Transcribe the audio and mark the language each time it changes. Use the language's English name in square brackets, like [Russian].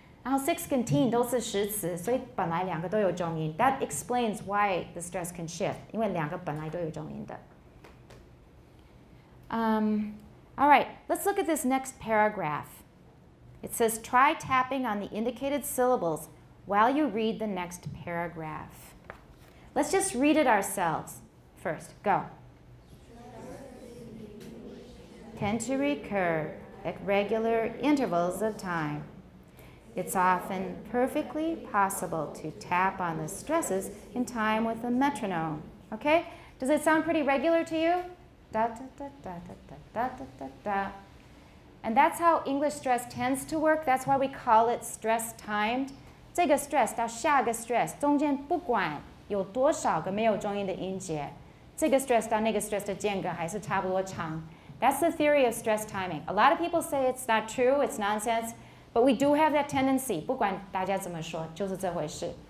[Chinese] 然后 6 跟 teen 都是实词所以本来两个都有重音。 [English] That explains why the stress can shift. [Chinese] 因为两个本来都有重音的。 [English] All right, let's look at this next paragraph. It says, try tapping on the indicated syllables while you read the next paragraph. Let's just read it ourselves first. Go. Tend to recur at regular intervals of time. It's often perfectly possible to tap on the stresses in time with a metronome. Okay? Does it sound pretty regular to you? Da, da, da, da, da, da, da, da, da. And that's how English stress tends to work. That's why we call it stress timed. [Chinese] 这个 stress 到下个 stress, 中间不管有多少个没有中音的音节,这个 stress 到那个 stress 的间隔还是差不多长。 [English] That's the theory of stress timing. A lot of people say it's not true, it's nonsense, but we do have that tendency. [Chinese] 不管大家怎么说,就是这回事。